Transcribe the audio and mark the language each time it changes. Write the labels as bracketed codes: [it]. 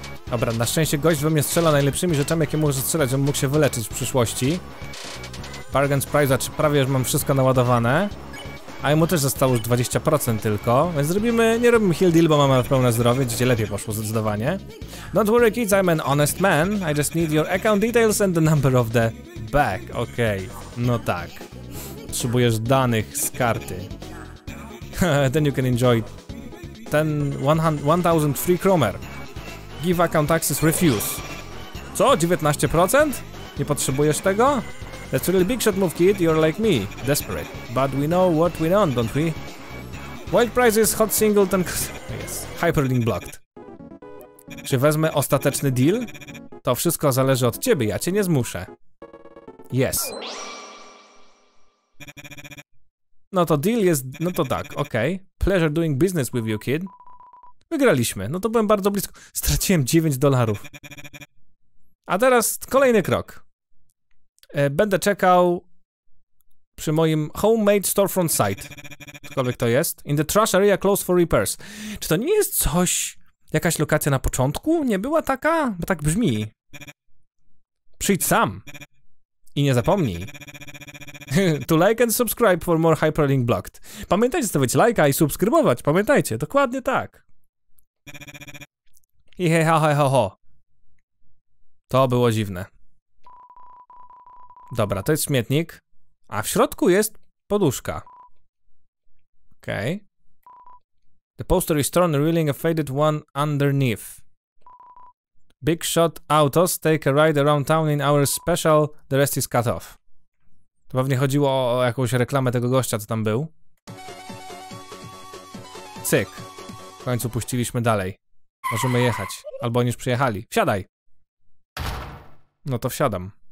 [pl] Dobra, na szczęście gość we mnie strzela najlepszymi rzeczami, jakie może strzelać, żebym mógł się wyleczyć w przyszłości. Bargain's Prize, czy prawie już mam wszystko naładowane. A mu też zostało już 20% tylko, więc zrobimy... Nie robimy heal deal, bo mamy pełne zdrowie, gdzie lepiej poszło zdecydowanie. [en] Don't worry kids, I'm an honest man. I just need your account details and the number of the bag. [pl] Okej, okay. No tak. Potrzebujesz danych z karty. [en] then you can enjoy 1000 free kromer. Give account access refuse. [pl] Co? [en] 19%? [pl] Nie potrzebujesz tego? [en] That's really big shot move, kid. You're like me. Desperate. But we know what we know, don't we? Wild prizes, hot singleton... Yes. Hyperlink blocked. [pl] Czy wezmę ostateczny deal? To wszystko zależy od ciebie, ja cię nie zmuszę. [en] Yes. [pl] No to deal jest... No to tak, okej. Okay. [en] Pleasure doing business with you, kid. [pl] Wygraliśmy. No to byłem bardzo blisko. Straciłem 9 dolarów. A teraz kolejny krok. Będę czekał przy moim [en] homemade storefront site. [pl] Cokolwiek to jest. [en] In the trash area closed for repairs. [pl] Czy to nie jest coś... Jakaś lokacja na początku? Nie była taka? Bo tak brzmi. Przyjdź sam. I nie zapomnij. [en] To like and subscribe for more Hyperlink Blocked. [pl] Pamiętajcie zostawić lajka i subskrybować. Pamiętajcie, dokładnie tak. I hej, ha, hej, ho, ho. To było dziwne. Dobra, to jest śmietnik. A w środku jest poduszka. Okej. Okay. [en] The poster is torn, revealing a faded one underneath. Big Shot Autos take a ride around town in our special, the rest is cut off. [pl] To pewnie chodziło o jakąś reklamę tego gościa, co tam był. Cyk. W końcu puściliśmy dalej. Możemy jechać. Albo oni już przyjechali. Wsiadaj! No to wsiadam.